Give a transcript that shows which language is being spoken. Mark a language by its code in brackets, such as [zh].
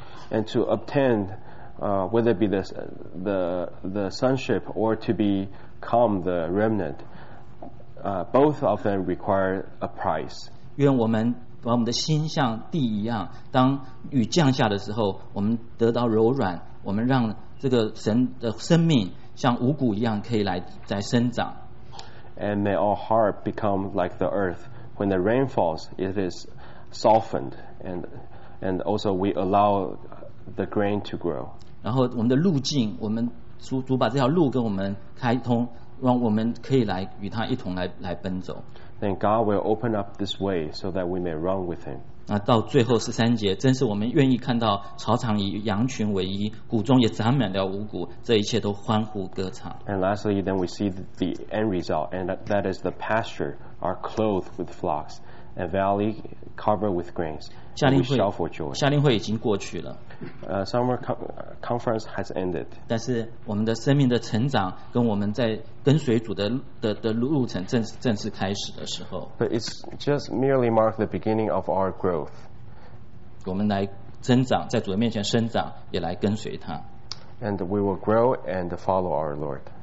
[en] And to obtain, whether it be the sonship or to become the remnant, both of them require a price. [zh] 愿我们把我们的心像地一样，当雨降下的时候，我们得到柔软，我们让这个神的生命像五谷一样可以来生长。 [en] And may our heart become like the earth. When the rain falls, it is softened, and also we allow the grain to grow. [zh] 然后我们的路径，我们主把这条路跟我们开通，让我们可以来与他一同来奔走。 [en] Then God will open up this way so that we may run with Him. [zh] 那到最后十三节，真是我们愿意看到草场以羊群为衣，谷中也长满了五谷，这一切都欢呼歌唱。 [en] And lastly, then we see the end result, and that is the pasture. Are clothed with flocks, and valley covered with grains. And we shout for joy. [zh] 夏令会已经过去了。 [en] Summer conference has ended. [zh] 但是我们的生命的成长跟我们在跟随主的路程正式开始的时候。 [en] But it's just merely mark the beginning of our growth. [zh] 我们来增长，在主的面前生长，也来跟随他。 [en] And we will grow and follow our Lord.